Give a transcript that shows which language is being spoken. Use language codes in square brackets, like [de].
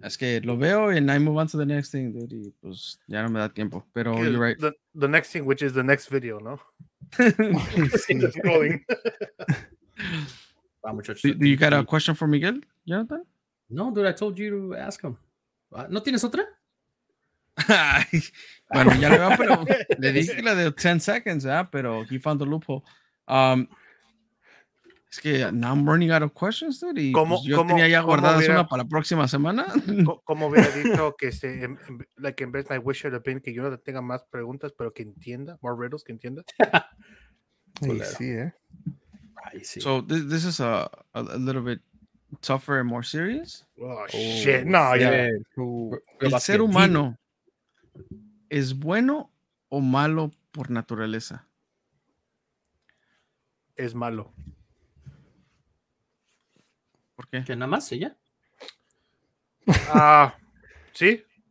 [es] Es que lo veo [en] and I move on to the next thing, dude, [es] y pues ya no me da tiempo, pero okay, [en] you're right. The next thing, which is the next video, ¿no? do you got a question for Miguel, Jonathan? No, dude, I told you to ask him. [es] ¿No tienes otra? Bueno, ya le veo, pero le dije la de [en] 10 seconds, [es] ¿eh? [en] Pero he found the loophole. [es] Es que [en] now I'm running out of questions, dude. [es] Y ¿cómo, pues, yo cómo, tenía ya guardada una para la próxima semana. ¿Cómo hubiera dicho que se, [en] like, in best my wish should have been [es] que yo no tenga más preguntas, pero que entienda, [en] more riddles, [es] que entienda? Sí, ¿eh? [en] So this is a little bit tougher and more serious. Oh, shit. No, yeah. [es] ¿El ser humano es bueno o malo por naturaleza? Es malo. ¿Por qué? Que nada más ella. Ah, sí.